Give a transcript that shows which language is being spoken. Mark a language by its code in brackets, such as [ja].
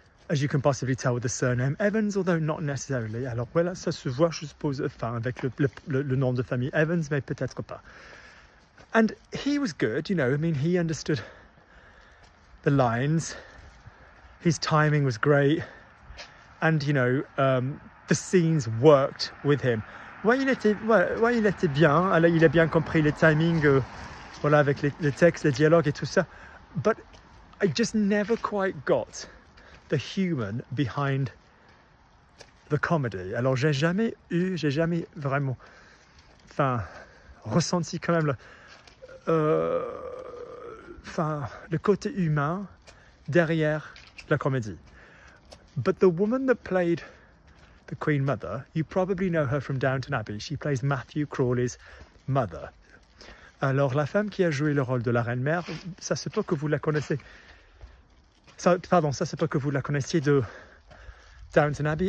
[en] as you can possibly tell with the surname Evans, although not necessarily. [fr] Alors voilà, ça se voit, je suppose, enfin, avec le nom de famille Evans, mais peut-être pas. [en] And he was good, you know, I mean, he understood the lines, his timing was great, and, you know, the scenes worked with him. [fr] Ouais, il était bien, alors il a bien compris le timing, voilà, avec le texte, le dialogue et tout ça. [en] But I just never quite got the human behind the comedy. [fr] Alors j'ai jamais vraiment ressenti quand même le côté humain derrière la comédie. [en] But the woman that played the Queen Mother, you probably know her from Downton Abbey. She plays Matthew Crawley's mother. [fr] Alors la femme qui a joué le rôle de la reine mère, ça se peut que vous la connaissez. Ça se peut que vous la connaissiez de Downton Abbey.